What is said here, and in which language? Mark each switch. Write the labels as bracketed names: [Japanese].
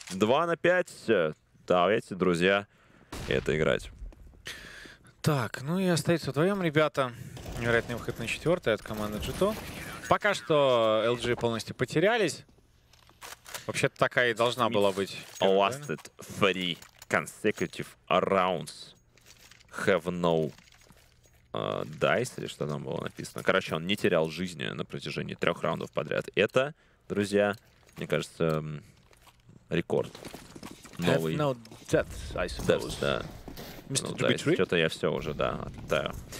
[Russian] 2 на 5. Давайте, друзья, это играть. Так, ну и остается вдвоем, ребята. Невероятный выход на четвертый от команды G2. Пока что LG полностью потерялись. Вообще-то такая и должна была быть. [English] Lasted 3 consecutive rounds. Have no dice, [Russian] или что там было написано. Короче, он не терял жизни на протяжении 3 раундов подряд. Это, друзья, мне кажется, рекорд. Новый. [English] Have no death, I suppose. [Russian] Да. Ну, что-то я все уже, да, да.